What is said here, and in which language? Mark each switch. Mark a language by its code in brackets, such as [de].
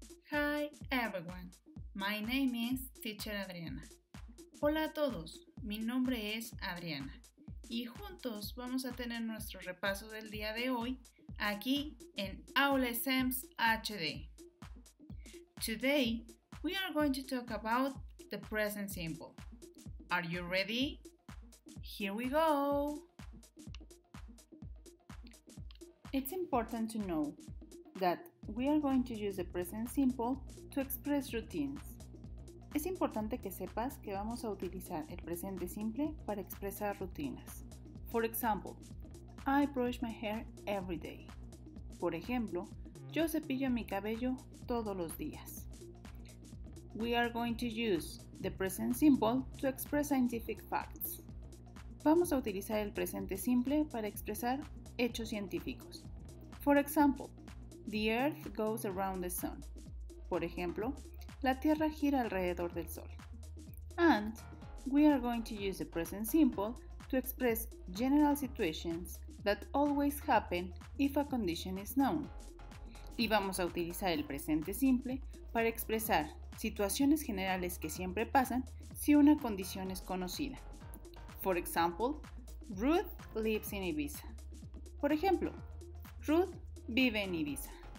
[en] Hi everyone, my name is Teacher Adriana. [es] Hola a todos, mi nombre es Adriana y juntos vamos a tener nuestro repaso del día de hoy aquí en OBLESEMS HD. [en] Today we are going to talk about the present simple. Are you ready? Here we go! It's important to know that we are going to use the present simple to express routines. [es] Es importante que sepas que vamos a utilizar el presente simple para expresar rutinas. [en] For example, I brush my hair every day. [es] Por ejemplo, yo cepillo mi cabello todos los días. [en] We are going to use the present simple to express scientific facts. [es] Vamos a utilizar el presente simple para expresar hechos científicos. [en] For example, the earth goes around the sun. [es] Por ejemplo, la tierra gira alrededor del sol. [en] And we are going to use the present simple to express general situations that always happen if a condition is known. [es] Y vamos a utilizar el presente simple para expresar situaciones generales que siempre pasan si una condición es conocida. [en] For example, Ruth lives in Ibiza. [es] Por ejemplo, Ruth vive en Ibiza.